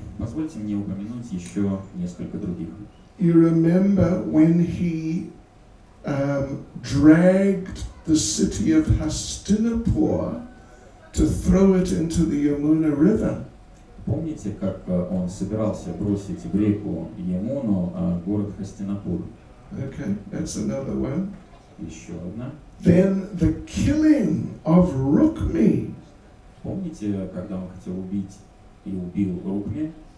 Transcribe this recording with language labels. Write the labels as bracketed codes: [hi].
[ru] Позвольте мне упомянуть еще несколько других. [en] You remember when he dragged the city of Hastinapur to throw it into the Yamuna River? [ru] Помните, как он собирался бросить в реку Ямуну город Хастинапур? [en] Okay, that's another one. [ru] Еще одна. [en] Then the killing of Rukmi. [ru] Помните, когда он хотел убить и убил Рукми?